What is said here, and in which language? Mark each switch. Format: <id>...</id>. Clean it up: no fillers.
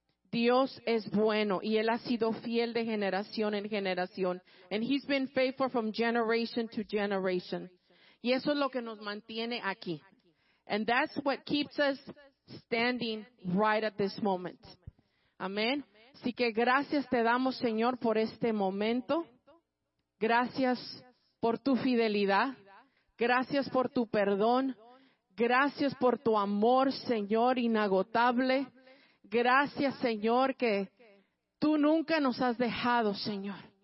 <es>Dios es bueno y Él ha sido fiel de generación en generación.</es> <en>And He's been faithful from generation to generation.</en> <es>Y eso es lo que nos mantiene aquí.</es> <en>And that's what keeps us standing right at this moment.</en> <es>Amén. Así que gracias te damos, Señor, por este momento. Gracias por tu fidelidad. Gracias por tu perdón. Gracias por tu amor, Señor, inagotable. Gracias, Señor, que tú nunca nos has dejado, Señor.</es>